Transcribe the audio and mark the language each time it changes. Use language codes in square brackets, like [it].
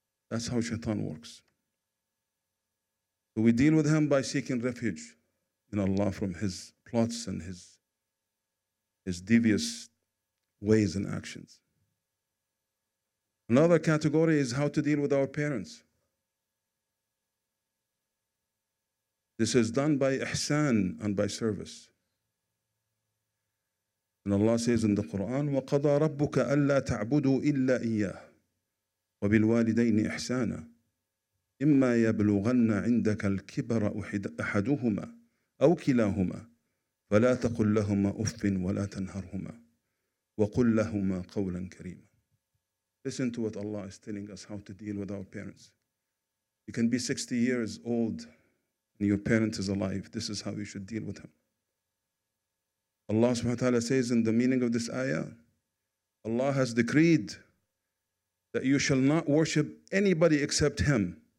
[en] That's how Shaitan works. So we deal with him by seeking refuge in Allah from his plots and his devious ways and actions. Another category is how to deal with our parents. This is done by ihsan and by service. And Allah says in the Quran, [ar] وَقَضَى رَبُّكَ أَلَّا تَعْبُدُوا إِلَّا إِيَّهِ وَبِالْوَالِدَيْنِ إِحْسَانًا إِمَّا يَبْلُغَنَّ عِنْدَكَ الْكِبَرَ أَحَدُهُمَا أَوْ كِلَاهُمَا فَلَا تَقُلْ لَهُمَا أُفٍّ وَلَا تَنْهَرْهُمَا وَقُلْ لَهُمَا قَوْلًا كَرِيمًا. [en] Listen to what Allah is telling us how to deal with our parents. You can be 60 years old and your parent is alive. This is how you should deal with him. Allah subhanahu wa ta'ala says in the meaning of this ayah, Allah has decreed that you shall not worship anybody except him.